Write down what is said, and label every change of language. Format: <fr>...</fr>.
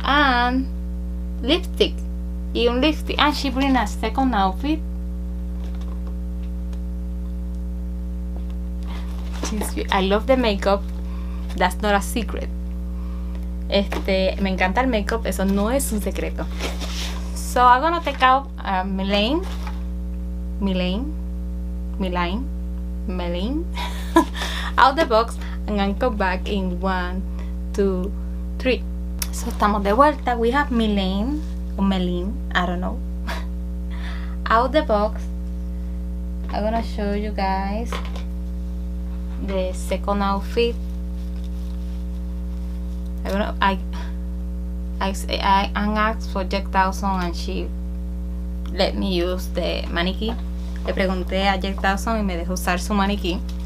<en>And lipstick.</en> <es>Y un lipstick.</es> <en>And she bring a second outfit. I love the makeup. That's not a secret.</en> <es>Me encanta el makeup, eso no es un secreto.</es> <en>So I'm gonna take out Milene out the box and I'm come back in 1, 2, 3.</en> <es>So estamos de vuelta.</es> <en>We have Milene o Melene, I don't know. Out the box, I'm gonna show you guys the second outfit. I asked for Jack Dawson and she let me use the mannequin.</en> <es>Le pregunté a Jack Dawson y me dejó usar su mannequin.</es>